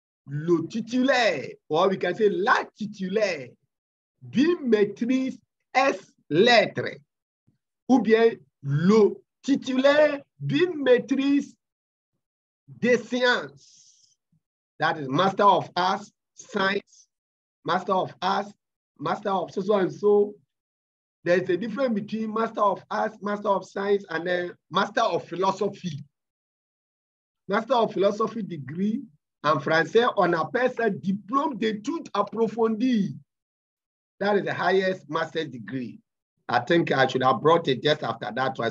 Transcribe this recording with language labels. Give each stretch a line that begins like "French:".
French: Le titulaire,
English: or we can say
French: la titulaire d'une maîtrise S lettre. Ou bien le titulaire d'une maîtrise des sciences.
English: That is Master of Arts, Science, Master of Arts, Master of so and so. There's a difference between Master of Arts, Master of Science, and then Master of Philosophy. Master of Philosophy degree
French: en français, on appelle ça diplôme d'études approfondies.
English: That is the highest master's degree. I think I should have brought it just after that one.